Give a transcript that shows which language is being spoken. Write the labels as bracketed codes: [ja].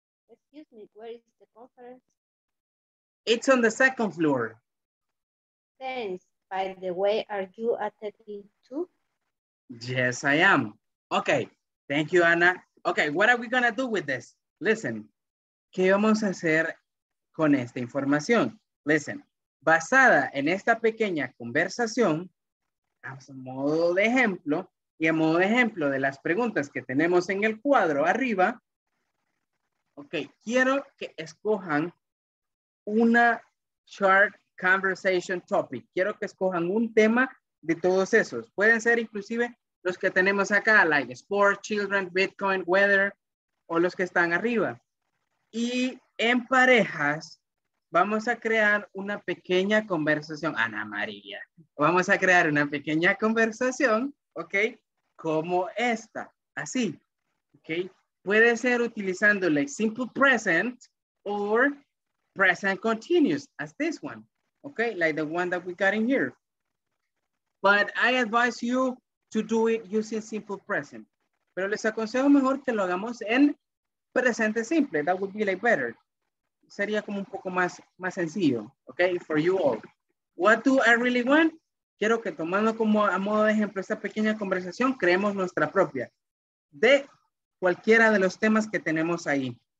[en] Excuse me, where is the conference? It's on the second floor. Thanks. By the way, are you attending too? Yes, I am. Okay, thank you, Ana. Okay, what are we gonna do with this? [es] Listen, ¿qué vamos a hacer con esta información? Listen, basada en esta pequeña conversación, a modo de ejemplo, y a modo de ejemplo de las preguntas que tenemos en el cuadro arriba, ok, quiero que escojan una chart conversation topic. Quiero que escojan un tema de todos esos. Pueden ser inclusive los que tenemos acá, like sports, children, Bitcoin, weather, o los que están arriba. Y en parejas, vamos a crear una pequeña conversación. Ana María, vamos a crear una pequeña conversación, ¿ok? Como esta, así, ¿ok? Puede ser utilizando el [en] like simple present or present continuous, as this one, [es] ¿ok? [en] Like the one that we got in here. But I advise you to do it using simple present. [es] Pero les aconsejo mejor que lo hagamos en presente simple. [en] That would be like better. [es] Sería como un poco más, más sencillo, okay, [en] for you all. What do I really want? [es] Quiero que tomando como a modo de ejemplo esta pequeña conversación, creemos nuestra propia de cualquiera de los temas que tenemos ahí.